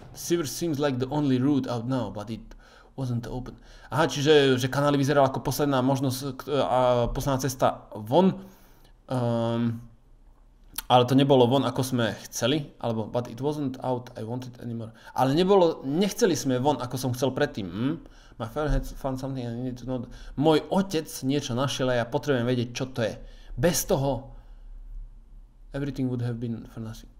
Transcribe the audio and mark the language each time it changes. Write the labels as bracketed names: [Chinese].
[English] Sewer seems like the only route out now, but it wasn't open. [Slovak] Aha, čiže že kanály vyzeral ako posledná možnosť a posledná cesta von. Ale to nebolo von, ako sme chceli, alebo [English] but it wasn't out I wanted anymore. [Slovak] Ale nebolo, nechceli sme von, ako som chcel predtým. [English] My father had found something I needed to know. [Slovak] Môj otec niečo našiel a ja potrebujem vedieť, čo to je. Bez toho [English] everything would have been for nothing.